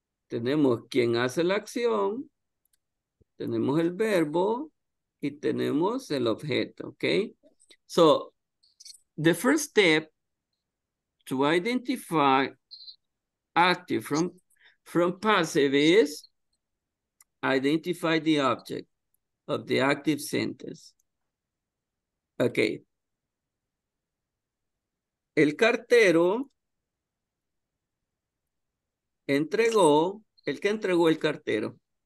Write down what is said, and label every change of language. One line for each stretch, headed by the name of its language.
Spanish: Tenemos quien hace la acción, tenemos el verbo y tenemos el objeto, okay?
English: So, the first step to identify active from passive is identify the object of the active sentence. Okay.
Spanish: El cartero entregó, ¿el que entregó el cartero?